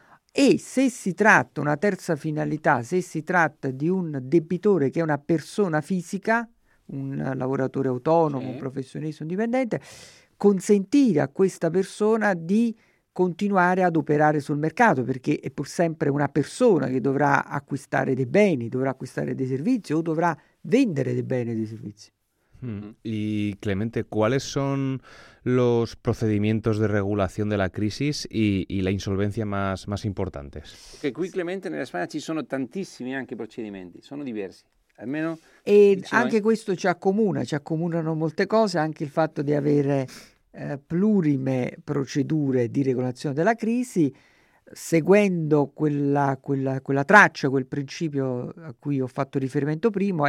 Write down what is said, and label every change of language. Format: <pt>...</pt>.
<it>e se si tratta, una terza finalità, se si tratta di un debitore che è una persona fisica, un lavoratore autonomo, un professionista, un dipendente, consentire a questa persona di continuare ad operare sul mercato, perché è pur sempre una persona che dovrà acquistare dei beni, dovrà acquistare dei servizi o dovrà vendere dei beni e dei servizi.</it> <es>Y Clemente, ¿cuáles son los procedimientos de regulación de la crisis y la insolvencia más importantes? Que aquí, Clemente, en España</es> <it>ci sono tantissimi anche procedimenti, sono diversi. Almeno, e anche questo ci accomunano molte cose, anche il fatto di avere plurime procedure di regolazione della crisi, seguendo quella traccia, quel principio a cui ho fatto riferimento prima.</it>